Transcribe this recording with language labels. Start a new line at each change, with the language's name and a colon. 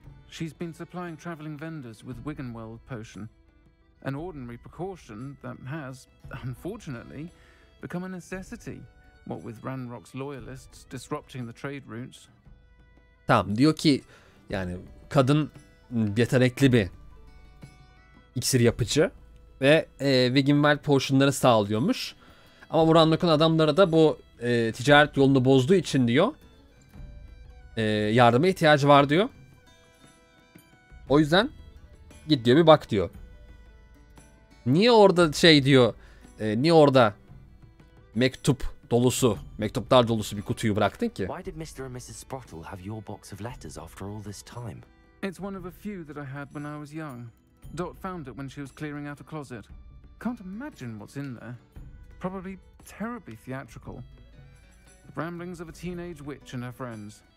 English: She's been supplying traveling vendors with Wiganwell potion. An ordinary precaution that has, unfortunately, become a necessity. What with Ranrock's loyalists disrupting the trade routes.
Turkish: Tamam, diyor ki yani kadın yetenekli bir iksir yapıcı ve Wiganwell potionları sağlıyormuş. Ama Ranrock'un adamları da bu ticaret yolunu bozduğu için diyor. Yardıma ihtiyacı var diyor. O yüzden git diyor, bir bak diyor. Niye orada şey diyor, niye orada mektup dolusu, mektuplar dolusu bir kutuyu bıraktın ki?
English: Why did Mr. and Mrs. Sprottle have your box of letters after all this time? It's one of a few that I had when I was young. Dot found it when she was clearing out a closet. Can't imagine what's in there. Probably terribly theatrical. The ramblings of a teenage witch and her friends.